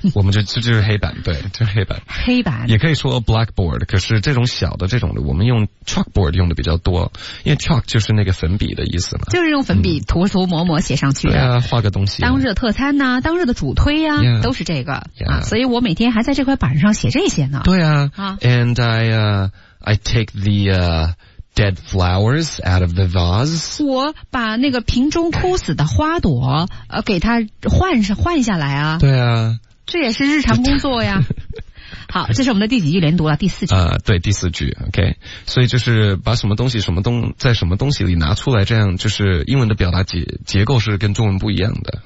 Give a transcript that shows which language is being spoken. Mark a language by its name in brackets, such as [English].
[Chinese] 我们就是黑板，对，就是黑板也可以说 blackboard， 可是这种小的这种的我们用 chalkboard 用的比较多，因为 chalk 就是那个粉笔的意思嘛，就是用粉笔涂涂抹抹写上去，对啊，画个东西，当日的特餐呢、啊、当日的主推啊 yeah, 都是这个、 yeah. 啊，所以我每天还在这块板上写这些呢，对啊、 [English] and I take theDead flowers out of the vase. [Chinese] 我把那个瓶中枯死的花朵，给它换下来啊。对啊，这也是日常工作呀。好，这是我们的第几句连读了？第四句。对，第四句。 OK， 所以就是把什么东西在什么东西里拿出来，这样就是英文的表达结构是跟中文不一样的。